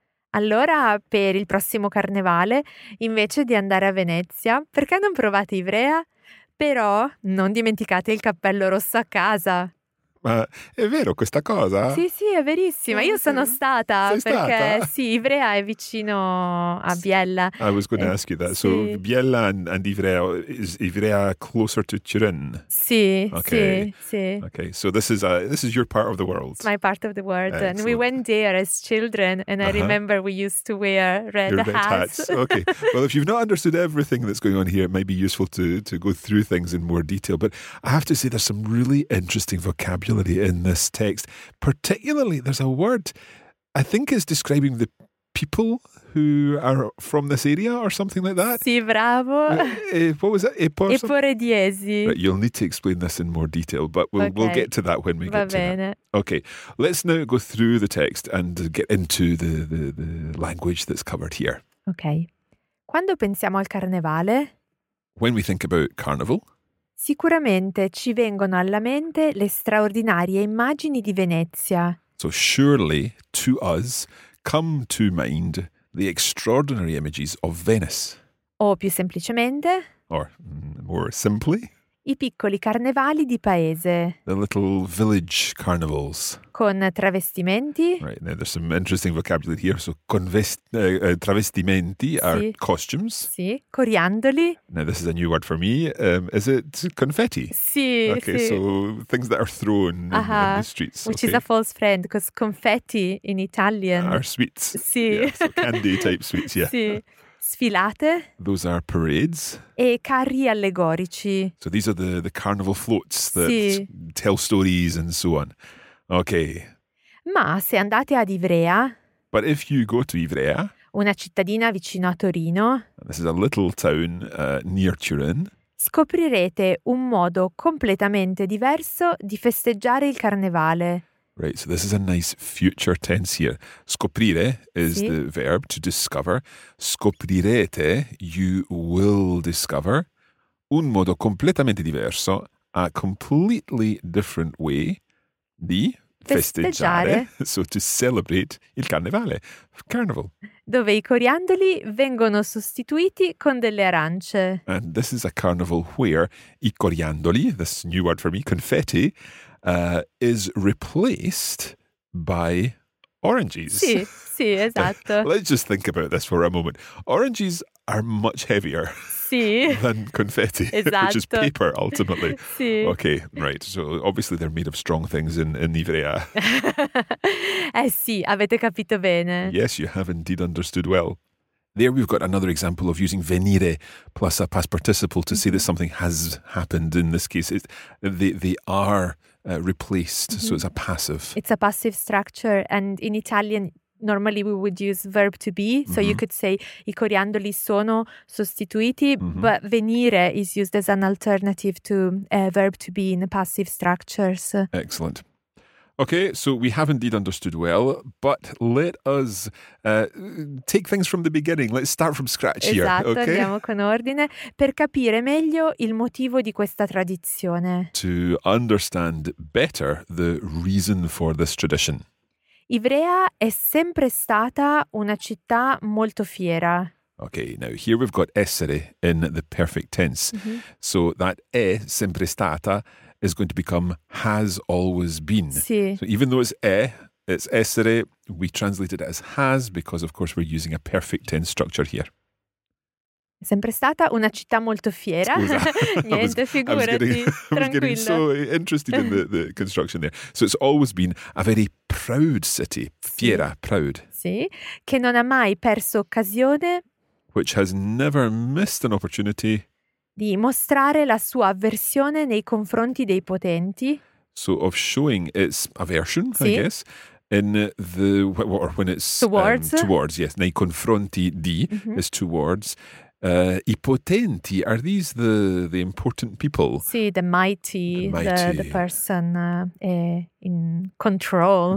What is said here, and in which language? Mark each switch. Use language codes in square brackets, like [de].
[it] Allora, per il prossimo carnevale, invece di andare a Venezia, perché non provate Ivrea? Però non dimenticate il cappello rosso a casa! Ma è vero questa cosa? Sì, sì, è verissima. Io sono stata. Sei perché stata? Sì, Ivrea è vicino a Biella. [en] I was going to ask you that. [it] Sì. [en] So Biella and Ivrea, is Ivrea closer to Turin? [it] Sì, okay. Sì, sì. [en] Okay, so this is your part of the world. It's my part of the world. Excellent. And we went there as children and I remember we used to wear red hats. Okay, well, if you've not understood everything that's going on here, it might be useful to go through things in more detail. But I have to say there's some really interesting vocabulary in this text. Particularly, there's a word I think is describing the people who are from this area or something like that. [it] Sì, bravo. [en] What was that? [it] Eporediesi. [en] Right, you'll need to explain this in more detail, but we'll get to that when we [it] Va [en] get [it] bene. [en] To that. Okay, let's now go through the text and get into the language that's covered here. Okay. [it] Quando pensiamo al carnevale? [en] When we think about carnival. [it] Sicuramente ci vengono alla mente le straordinarie immagini di Venezia. [en] So surely to us come to mind the extraordinary images of Venice. [it] O più semplicemente. [en] Or more simply. [it] I piccoli carnevali di paese. [en] The little village carnivals. [it] Con travestimenti. [en] Right, now there's some interesting vocabulary here. So travestimenti are [it] sì. [en] costumes. [it] Sì, coriandoli. [en] Now this is a new word for me. Is it confetti? [it] Sì, [en] okay, [it] sì. [en] So things that are thrown in the streets. Which okay. is a false friend, because confetti in Italian. Are sweets. [it] Sì. [en] Yeah, so candy type sweets, yeah. [it] Sì. Sfilate. [en] Those are parades. [it] E carri allegorici. [en] So these are the carnival floats that [it] sì. [en] tell stories and so on. Okay. [it] Ma se andate ad Ivrea. [en] But if you go to Ivrea. [it] Una cittadina vicino a Torino. [en] This is a little town near Turin. [it] Scoprirete un modo completamente diverso di festeggiare il carnevale. [en] Right, so this is a nice future tense here. Scoprire is [it] sì. [en] The verb to discover. Scoprirete, you will discover. [it] Un modo completamente diverso, [en] a completely different way [it] di festeggiare, [en] so to celebrate [it] il carnevale, [en] carnival. [it] Dove i coriandoli vengono sostituiti con delle arance. [en] And this is a carnival where i coriandoli, this new word for me, confetti, is replaced by oranges. [it] Sì, sì, esatto. [en] Let's just think about this for a moment. Oranges are much heavier [it] sì. [en] than confetti, [it] esatto. [en] which is paper, ultimately. [it] Sì. [en] Okay, right. So, obviously, they're made of strong things in Ivrea. [it] Eh sì, avete capito bene. [en] Yes, you have indeed understood well. There we've got another example of using venire plus a past participle to say that something has happened in this case. They are replaced, mm-hmm. so it's a passive. It's a passive structure, and in Italian, normally we would use verb to be, so mm-hmm. you could say [it] i coriandoli sono sostituiti, mm-hmm. [en] but venire is used as an alternative to verb to be in the passive structures. Excellent. Okay, so we have indeed understood well, but let us take things from the beginning. Let's start from scratch [it] esatto, [en] here. [it] Esatto, okay? Andiamo con ordine per capire meglio il motivo di questa tradizione. [en] To understand better the reason for this tradition. [it] Ivrea è sempre stata una città molto fiera. [en] Okay, now here we've got essere in the perfect tense. Mm-hmm. So that [it] è sempre stata [en] is going to become has always been. [it] Sì. [en] So even though it's è, it's essere, we translate it as has because of course we're using a perfect tense structure here. [it] Sempre stata una città molto fiera. Niente, figurati. [en] I was getting so interested in the construction there. So it's always been a very proud city. [it] Fiera, sì. [en] proud. [it] Sì, che non ha mai perso occasione. [en] Which has never missed an opportunity. [it] Di mostrare la sua avversione nei confronti dei potenti. [en] So of showing its aversion, [it] sì. [en] I guess. In the, or when it's towards. Towards, yes. [it] Nei confronti di [en] mm-hmm. is towards. [it] I potenti, [en] are these the important people? [it] Sì, [en] the mighty. The person in control.